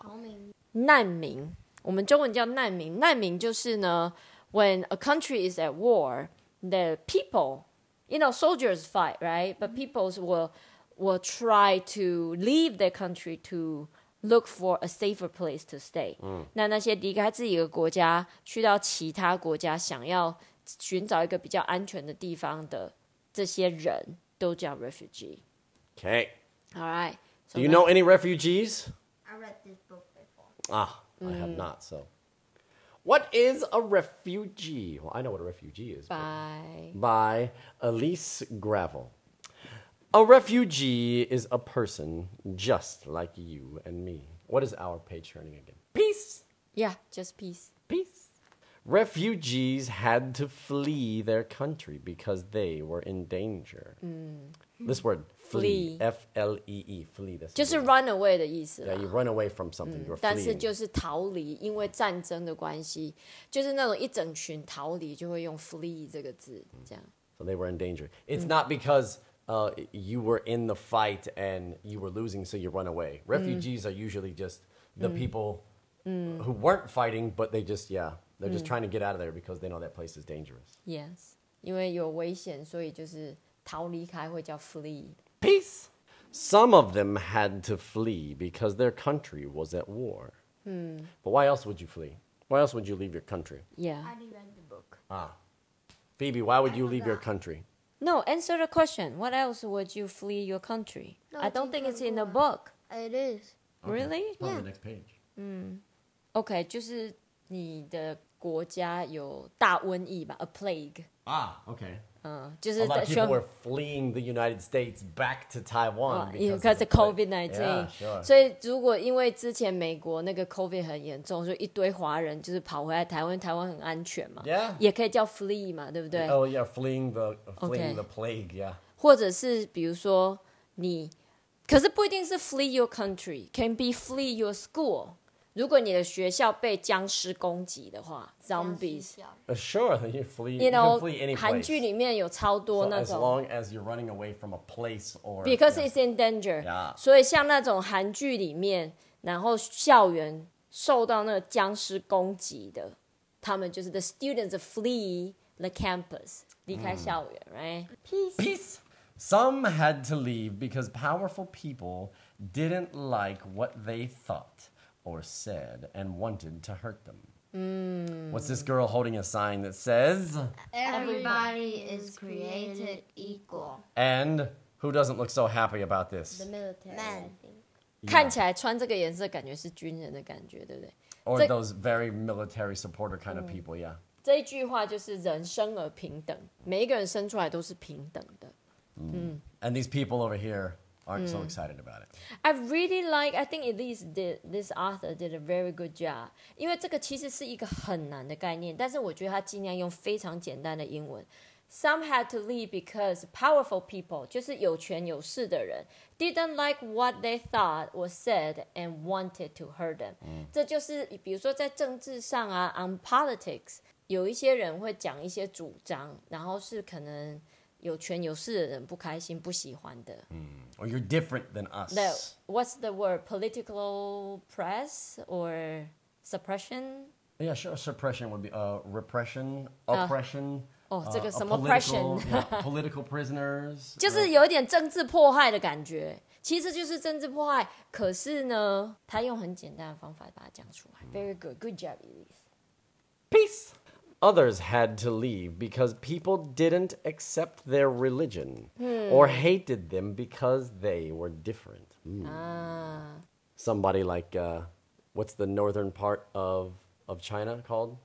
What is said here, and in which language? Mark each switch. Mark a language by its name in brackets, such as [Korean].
[Chinese] 逃民。难民。我们中文叫难民。难民就是呢 [English] ，when a country is at war, the people, you know, soldiers fight, right? But peoples will try to leave their country to. Look for a safer place to stay. [Chinese] 那那些离开自己的国家，去到其他国家，想要寻找一个比较安全的地方的这些人，都叫 refugee. [English] Okay. All right. So, do you know any refugees? I read this book before. Ah, I have not. So, what is a refugee? Well, I know what a refugee is. By Elise Gravel. A refugee is a person just like you and me. What is our page turning again? Peace! Yeah, just peace. Peace! Refugees had to flee their country because they were in danger. This word, flee. F-L-E-E, flee. [Chinese] 就是 [English] run away [Chinese] 的意思啦。 [English] Yeah, you run away from something, you're fleeing. [Chinese] 但是就是逃离,因为战争的关系,就是那种一整群逃离就会用 flee 这个字,这样。 [English] So they were in danger. It's not because... you were in the fight and you were losing, so you run away. Refugees are usually just the people who weren't fighting, but they just, yeah, they're just trying to get out of there because they know that place is dangerous. [Chinese] Yes. 因为有危险,所以就是逃离开会叫 flee. [English] Peace! Some of them had to flee because their country was at war. Hmm. But why else would you flee? Why else would you leave your country? Yeah. I didn't read the book. Ah. Phoebe, why would you leave your country? No, answer the question. What else would you flee your country? No, I don't think it's in the book. It is. Okay. Really? It's probably the next page. [Chinese] Mm. Okay, 就是你的国家有大瘟疫吧, [English] a plague. Ah, okay. [Chinese] 就是, [English] a lot of people were fleeing the United States back to Taiwan because of COVID-19. Yeah, sure. [Chinese] 所以如果因为之前美国那个 COVID 很严重，就一堆华人就是跑回来台湾，台湾很安全嘛。 [English] Yeah. [Chinese] 也可以叫 flee 嘛，对不对？ [English] Oh yeah, fleeing the plague, yeah. [Chinese] 或者是比如说你，可是不一定是 [English] flee your country, can be flee your school. [Chinese] 如果你的学校被僵尸攻击的话 ，zombies。 [English] Sure, you flee. You know, you can flee any place. [Chinese] 韩剧里面有超多那种。 [English] So, as long as you're running away from a place or because it's in danger. Yeah. [Chinese] 所以像那种韩剧里面，然后校园受到那个僵尸攻击的，他们就是 [English] the students flee the campus, [Chinese] 离开校园 ，right? [English] Peace. Some had to leave because powerful people didn't like what they thought. Or said and wanted to hurt them.、 Mm. What's this girl holding a sign that says? Everybody is created equal. And who doesn't look so happy about this? The military. Men. [Chinese] 看起来穿这个颜色感觉是军人的感觉，对不对？ [English] Or those very military supporter kind of people, yeah. [Chinese] 这一句话就是人生而平等，每一个人生出来都是平等的。 [English] And these people over here. Aren't so excited about it. I really like, I think Elise did, this author did a very good job. [Chinese] 因为这个其实是一个很难的概念，但是我觉得他尽量用非常简单的英文。 [English] Some had to leave because powerful people, [Chinese] 就是有权有势的人 [English] didn't like what they thought or said and wanted to hurt them.、 [Chinese] 这就是比如说在政治上啊 [English] on politics, [Chinese] 有一些人会讲一些主张，然后是可能有权有势的人不开心不喜欢的。 [English] Or you're different than us. Now, what's the word? Political press or suppression? Yeah, sure. Suppression would be repression, oppression. [Chinese] Oh, 这个什么 oppression? [English] Political prisoners. [Chinese] 就是有点政治迫害的感觉。其实就是政治迫害。可是呢，他用很简单的方法把它讲出来。 [English] Very good. Good job, Elise. Peace! Others had to leave because people didn't accept their religion or hated them because they were different. Somebody like, what's the northern part of China called?